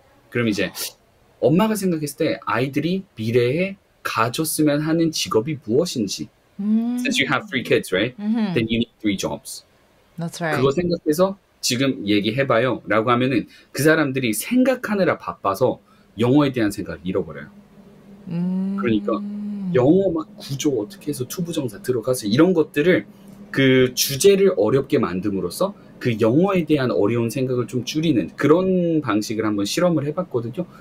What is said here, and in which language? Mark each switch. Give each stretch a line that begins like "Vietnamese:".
Korean: 그럼 이제 엄마가 생각했을 때 아이들이 미래에 가졌으면 하는 직업이 무엇인지.
English: Since you have three kids, right? Then you need three jobs. That's
Korean: 그거
English: right.
Korean: 생각해서 지금 얘기해봐요. 라고 하면은 그 사람들이 생각하느라 바빠서 영어에 대한 생각을 잃어버려요. 그러니까 영어 막 구조 어떻게 해서 투부정사 들어가서 이런 것들을 그 주제를 어렵게 만듦으로써 그 영어에 대한 어려운 생각을 좀 줄이는 그런 방식을 한번 실험을 해봤거든요.